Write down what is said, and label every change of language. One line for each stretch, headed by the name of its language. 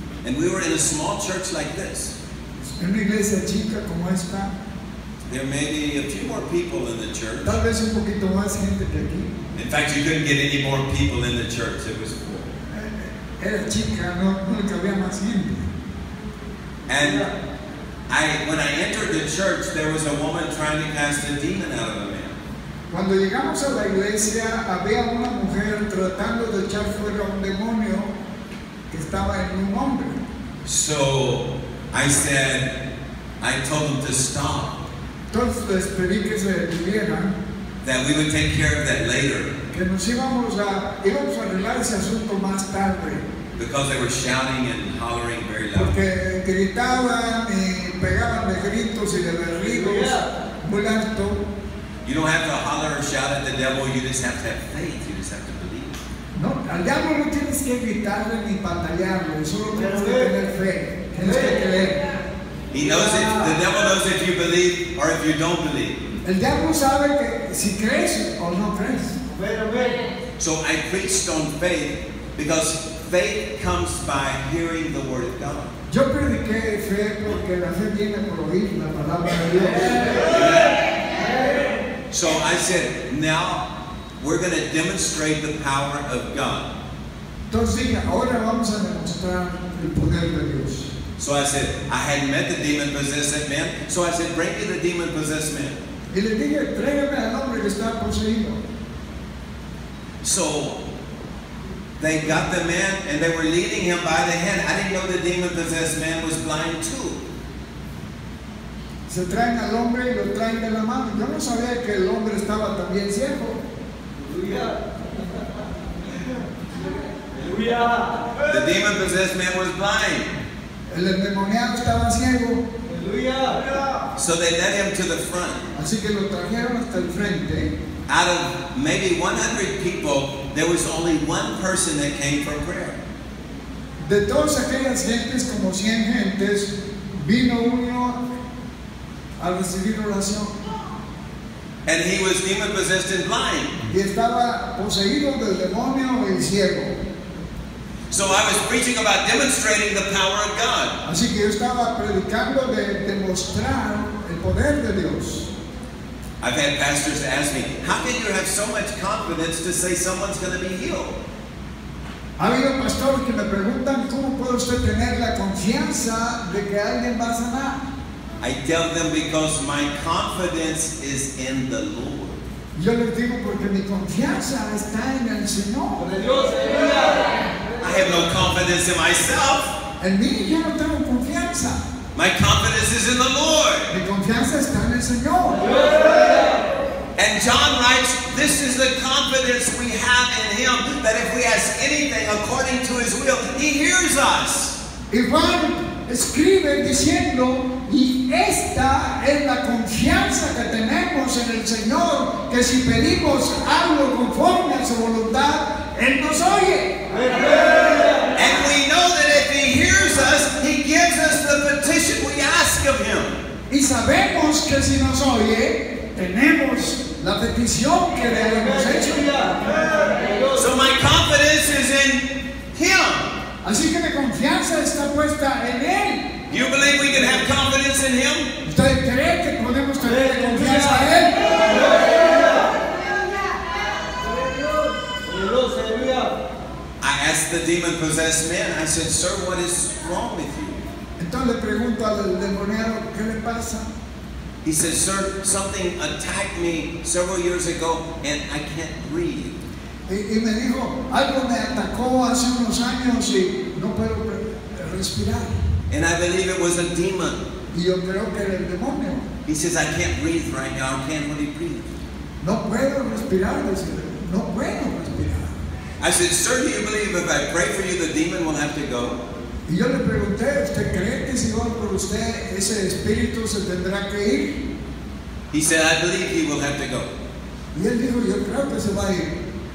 English: And we were in a small church like this.
Spanish: En una iglesia chica como esta.
English: There may be a few more people in the church.
Spanish: Tal vez un poquito más gente que aquí.
English: In fact, you couldn't get any more people in the church. It was full.
Spanish: Era chica, no le cabía más gente.
English: And when I entered the church, there was a woman trying to cast a demon out of a man.
Spanish: Cuando llegamos a la iglesia, había una mujer tratando de echar fuera un demonio que estaba en un hombre.
English: So I told them to stop.
Spanish: Entonces les pedí que se detuvieran.
English: That we would take care of that later.
Spanish: Que nos íbamos a arreglar ese asunto más tarde.
English: Because they were shouting and hollering very loud.
Spanish: Porque gritaban y pegaban de gritos y de berridos muy alto.
English: You don't have to holler or shout at the devil, you just have to have faith, you just have to believe.
Spanish: No, al diablo no tienes que gritarle ni batallarlo, solo tienes que tener fe, tienes que creer.
English: He knows it, the devil knows if you believe or if you don't believe.
Spanish: El diablo sabe que si crees o no crees.
English: So I preached on faith because faith comes by hearing the word of God.
Spanish: Yo prediqué fe porque la fe viene por oír la palabra de Dios.
English: So I said, now we're going to demonstrate the power of God.
Spanish: Entonces, ahora vamos a demostrar el poder de Dios.
English: So I said, I had met the demon possessed man. So I said, bring me the demon possessed man.
Spanish: Y le dije, tráigame al hombre que está poseído.
English: So they got the man and they were leading him by the hand. I didn't know the demon possessed man was blind too.
Spanish: Se traen al hombre y lo traen de la mano. Yo no sabía que el hombre estaba también ciego.
English: The demon possessed man was blind.
Spanish: El endemoniado estaba ciego.
English: So they led him to the front.
Spanish: Así que lo trajeron hasta el frente.
English: Out of maybe 100 people, there was only one person that came for prayer.
Spanish: De todas aquellas gentes, como 100 gentes, vino uno a recibir oración.
English: And he was demon possessed and blind.
Spanish: Y estaba poseído del demonio y ciego.
English: So I was preaching about demonstrating the power of God.
Spanish: Así que yo estaba predicando de demostrar el poder de Dios.
English: I've had pastors ask me, how can you have so much confidence to say someone's going to be healed?
Spanish: Ha habido pastores que me preguntan, ¿cómo puede usted tener la confianza de que alguien va a sanar?
English: I tell them because my confidence is in the Lord.
Spanish: Yo les digo porque mi confianza está en el Señor.
English: I have no confidence in myself.
Spanish: En mí ya no tengo confianza.
English: My confidence is in the Lord.
Spanish: Mi confianza está en el Señor.
English: And John writes, this is the confidence we have in Him, that if we ask anything according to His will, He hears us.
Spanish: Juan escribe diciendo, y esta es la confianza que tenemos en el Señor, que si pedimos algo conforme a su voluntad, Él nos oye.
English: And we know that if He hears us, He gives us the petition we ask of Him.
Spanish: Y sabemos que si nos oye, tenemos la petición que le hemos hecho.
English: So my confidence is in Him.
Spanish: Así que mi confianza está puesta en Él.
English: You believe we can have confidence in Him?
Spanish: ¿Usted cree que podemos tener confianza en Él?
English: I asked the demon-possessed man, I said, sir, what is wrong with you?
Spanish: Entonces le pregunto al demoniado, ¿qué le pasa?
English: He said, sir, something attacked me several years ago and I can't breathe.
Spanish: Y me dijo, algo me atacó hace unos años y no puedo respirar.
English: And I believe it was a demon.
Spanish: Y yo creo que era el demonio.
English: He says, I can't breathe right now, I can't really breathe.
Spanish: No puedo respirar, dice, no puedo respirar.
English: I said, sir, do you believe if I pray for you, the demon will have to go?
Spanish: Y yo le pregunté, ¿usted cree que si oro por usted, ese espíritu se tendrá que ir?
English: He said, I believe he will have to go.
Spanish: Y él dijo, yo creo que se va a ir.